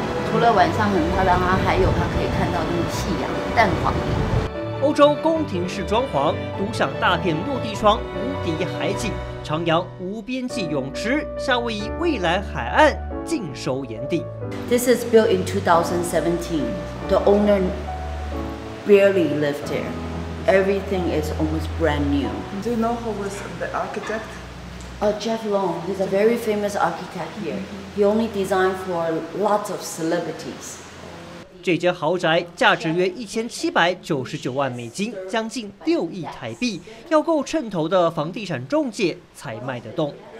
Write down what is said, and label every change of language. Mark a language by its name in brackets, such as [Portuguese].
[Chinese] 除了晚上很漂亮啊，还有它可以看到那个夕阳，淡黄。欧洲宫廷式装潢，独享大片落地窗，无敌海景，徜徉无边际泳池，夏威夷未来海岸尽收眼底。 [English] This is built in 2017. The owner barely lived here. Everything is almost brand new. Do you know who was the architect? Jeff Long. He's a very famous architect here. He only designed for lots of celebrities. [Chinese] 这间豪宅价值约1799万美金，将近6亿台币，要够称头的房地产中介才卖得动。